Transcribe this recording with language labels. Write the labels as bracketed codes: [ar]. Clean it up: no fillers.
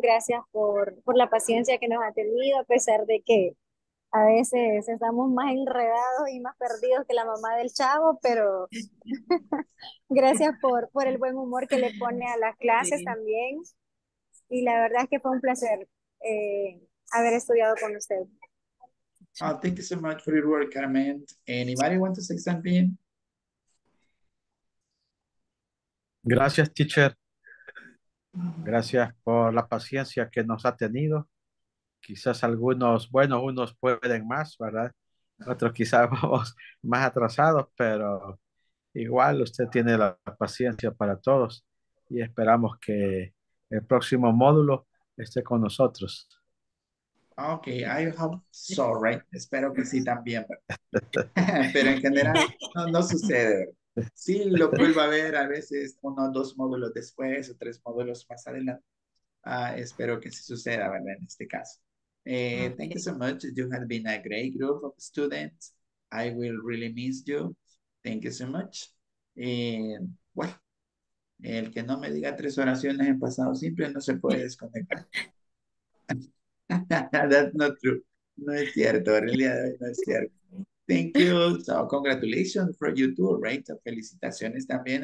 [es] Gracias por la paciencia que nos ha tenido, a pesar de que a veces estamos más enredados y más perdidos que la mamá del chavo, pero gracias por el buen humor que le pone a las clases sí. También. Y la verdad es que fue un placer haber estudiado con usted. [en] Oh, thank you so much for your work, Carmen. Anybody want to say something? [es] Gracias, teacher. Gracias por la paciencia que nos ha tenido. Quizás algunos, bueno, unos pueden más, ¿verdad? Otros quizás vamos más atrasados, pero igual usted tiene la paciencia para todos y esperamos que el próximo módulo esté con nosotros. [en] Ok, I hope so, right? [es] Espero que sí también. Pero en general no sucede. Sí, lo vuelvo a ver a veces uno o dos módulos después o tres módulos más adelante. Espero que sí suceda, ¿verdad? En este caso. Okay. [en] Thank you so much. You have been a great group of students. I will really miss you. Thank you so much. [es] Well, el que no me diga tres oraciones en pasado simple no se puede desconectar. [en] That's not true. [es] No es cierto, en realidad no es cierto. [en] Thank you. So, congratulations for you too, right? [es] Felicitaciones también.